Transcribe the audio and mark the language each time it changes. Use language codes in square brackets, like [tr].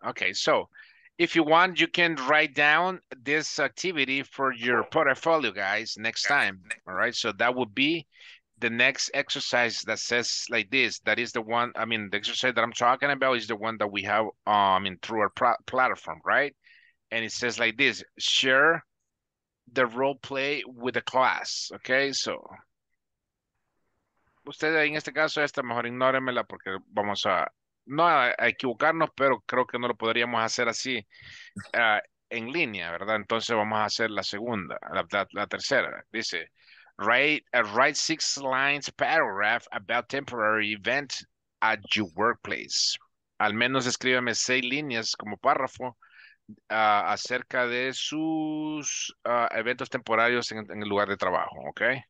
[en] Okay, so if you want, you can write down this activity for your portfolio, guys, next time. All right, so that would be the next exercise that says like this, that is the one, I mean, the exercise that I'm talking about is the one that we have through our platform, right? And it says like this, share the role play with the class, okay? [es] So, usted en este caso, esta mejor ignóremela porque vamos a, no a equivocarnos, pero creo que no lo podríamos hacer así en línea, ¿verdad? Entonces vamos a hacer la segunda, la tercera. [en] Dice, write 6 lines paragraph about temporary event at your workplace. [es] Al menos escríbeme 6 líneas como párrafo acerca de sus eventos temporarios en el lugar de trabajo, ¿ok?